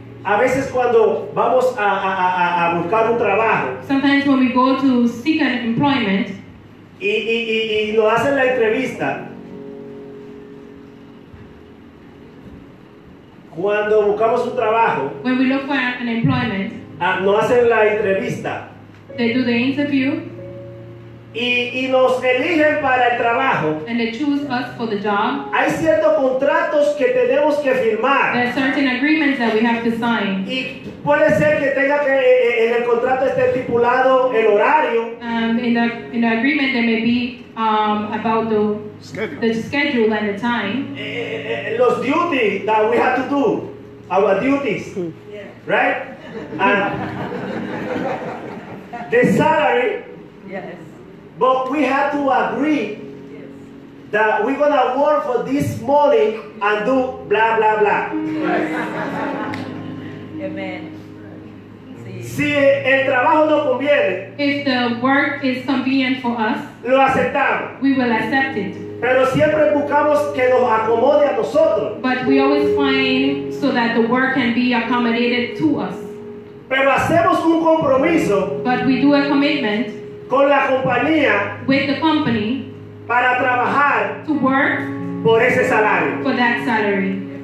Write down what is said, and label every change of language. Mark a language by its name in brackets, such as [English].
[Spanish] A veces cuando vamos a buscar un trabajo. [English] Sometimes when we go to seek an employment. [Spanish] Y nos hacen la entrevista. Cuando buscamos un trabajo, [English] when we look for an employment, [Spanish] nos hacen la entrevista. [English] They do the interview. [Spanish] Y nos eligen para el trabajo. [English] And they choose us for the job. [Spanish] Hay ciertos contratos que tenemos que firmar. [English] There are certain agreements that we have to sign. [Spanish] Y puede ser que tenga que en el contrato esté estipulado el horario. [English] In the agreement there may be about the schedule and the time. Los duties that we have to do, our duties, right? the salary. Yes. But we have to agree that we're gonna work for this money and do blah blah blah. Amen. [Spanish] Si el trabajo no conviene, [English] if the work is convenient for us, [Spanish] lo aceptamos. [English] We will accept it. [Spanish] Pero siempre buscamos que nos acomode a nosotros. [English] But we always find so that the work can be accommodated to us. [Spanish] Pero hacemos un compromiso. [English] But we do a commitment. [Spanish] Con la compañía, [English] with the company, [Spanish] para trabajar, [English] to work [Spanish] por ese salario, [English] for that salary.